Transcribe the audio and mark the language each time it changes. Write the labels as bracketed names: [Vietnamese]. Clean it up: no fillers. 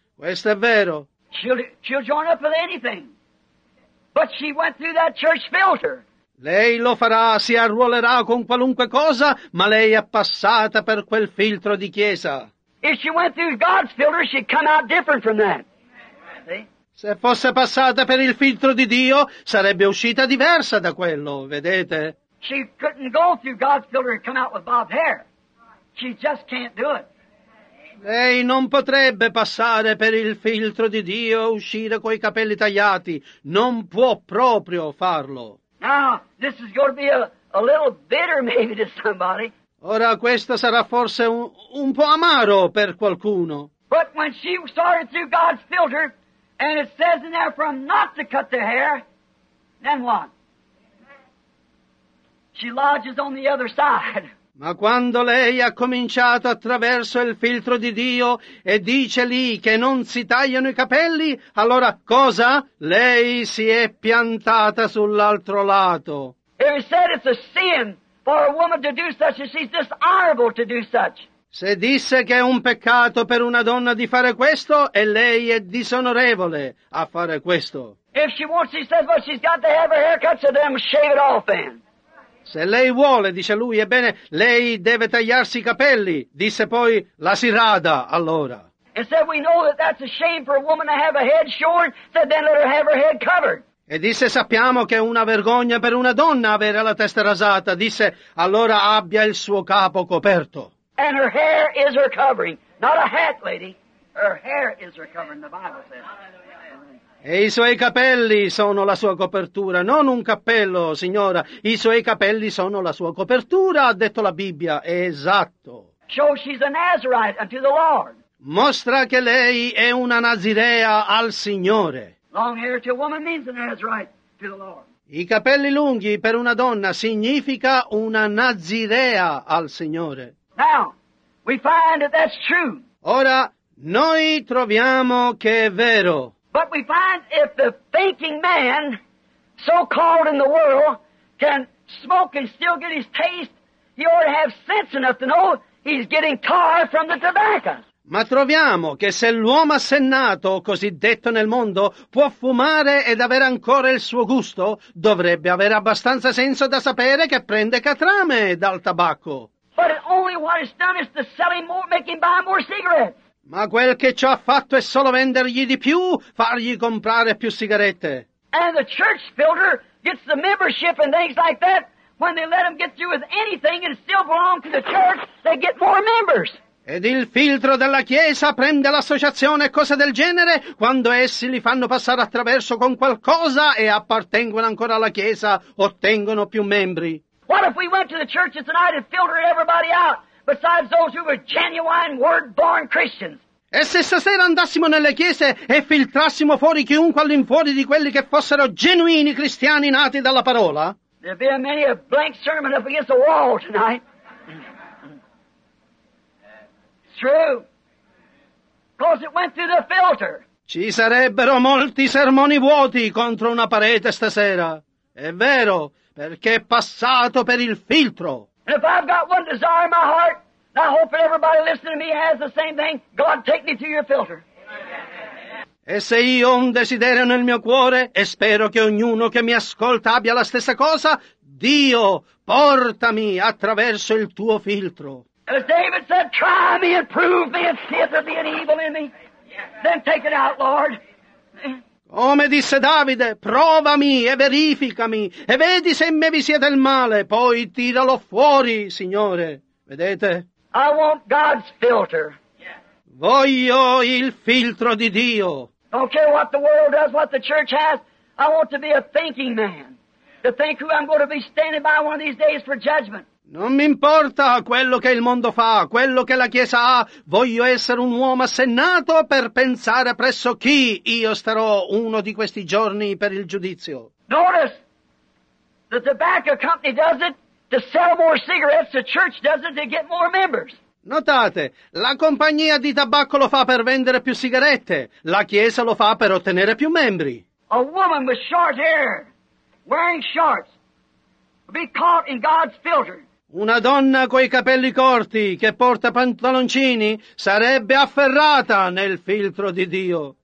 [Italian] Questo è vero. [English] She'll join up with anything. But she went through that church filter. [Italian] Lei lo farà, si arruolerà con qualunque cosa, ma lei è passata per quel filtro di chiesa. [English] If she went through God's filter, she'd come out different from that. See? [Italian] Se fosse passata per il filtro di Dio, sarebbe uscita diversa da quello, vedete? [English] She couldn't go through God's filter and come out with bobbed hair. She just can't do it. [Italian] Lei non potrebbe passare per il filtro di Dio e uscire coi capelli tagliati. Non può proprio farlo. [English] Now, this is going to be a little bitter maybe to somebody. [Italian] Ora questo sarà forse un po' amaro per qualcuno. [English] But when she started through God's filter, and it says in there for him not to cut the hair, then what? She lodges on the other side. [Italian] Ma quando lei ha cominciato attraverso il filtro di Dio e dice lì che non si tagliano i capelli, allora cosa? Lei si è piantata sull'altro lato. [English] If he said it's a sin for a woman to do such, she's dishonorable to do such. [Italian] Se disse che è un peccato per una donna di fare questo, e lei è disonorevole a fare questo. [English] If she wants, he says, well, she's got to have her hair cut, so then shave it off then. [Italian] Se lei vuole, dice lui, ebbene, lei deve tagliarsi i capelli, disse poi, la si rada, allora. [English] And said, we know that that's a shame for a woman to have a head shorn, said, then let her have her head covered. [Italian] E disse, sappiamo che è una vergogna per una donna avere la testa rasata, disse, allora abbia il suo capo coperto. [English] And her hair is her covering, not a hat, lady. Her hair is her covering, the Bible says. [Italian] E i suoi capelli sono la sua copertura, non un cappello, signora. I suoi capelli sono la sua copertura, ha detto la Bibbia, è esatto. [English] Show she's a Nazirite unto the Lord. [Italian] Mostra che lei è una Nazirea al Signore. [English] Long hair to a woman means a Nazirite to the Lord. [Italian] I capelli lunghi per una donna significa una Nazirea al Signore. [English] Now, we find that that's true. [Italian] Ora, noi troviamo che è vero. [English] But we find if the thinking man, so called in the world, can smoke and still get his taste, he ought to have sense enough to know he's getting tar from the tobacco. [Italian] Ma troviamo che se l'uomo assennato, cosiddetto nel mondo, può fumare ed avere ancora il suo gusto, dovrebbe avere abbastanza senso da sapere che prende catrame dal tabacco. [English] But only what it's done is to sell him more, make him buy more cigarettes. [Italian] Ma quel che ci ha fatto è solo vendergli di più, fargli comprare più sigarette. [English] And the church filter gets the membership and things like that. When they let them get through with anything and still belong to the church, they get more members. [Italian] Ed il filtro della chiesa prende l'associazione e cose del genere, quando essi li fanno passare attraverso con qualcosa e appartengono ancora alla chiesa, ottengono più membri. [English] What if we went to the church tonight and filtered everybody out? Besides those who were genuine word-born Christians. [Italian] E se stasera andassimo nelle chiese e filtrassimo fuori chiunque all'infuori di quelli che fossero genuini cristiani nati dalla parola? [English] There'd be many a blank sermon up against the wall tonight. It's true. Because it went through the filter. [Italian] Ci sarebbero molti sermoni vuoti contro una parete stasera. È vero, perché è passato per il filtro. [English] And if I've got one desire in my heart, and I hope that everybody listening to me has the same thing, God take me to your filter. [Italian] E se io ho un desiderio nel mio cuore, e spero che ognuno che mi ascolta abbia la stessa cosa, Dio, portami attraverso il tuo filtro. [English] As David said, try me and prove me and see if there be any evil in me. Then take it out, Lord. [Italian] Come disse Davide, provami e verificami, e vedi se in me vi sia del male, poi tiralo fuori, Signore. Vedete? [English] I want God's filter. [Italian] Voglio il filtro di Dio. [English] Don't care what the world does, what the church has, I want to be a thinking man. To think who I'm going to be standing by one of these days for judgment. [Italian] Non mi importa quello che il mondo fa, quello che la Chiesa ha, voglio essere un uomo assennato per pensare presso chi io starò uno di questi giorni per il giudizio. [English] Notice, the tobacco company does it to sell more cigarettes, the church does it to get more members. [Italian] Notate, la compagnia di tabacco lo fa per vendere più sigarette, la Chiesa lo fa per ottenere più membri. [English] A woman with short hair, wearing shorts, be caught in God's filter. [Italian] Una donna coi capelli corti che porta pantaloncini sarebbe afferrata nel filtro di Dio.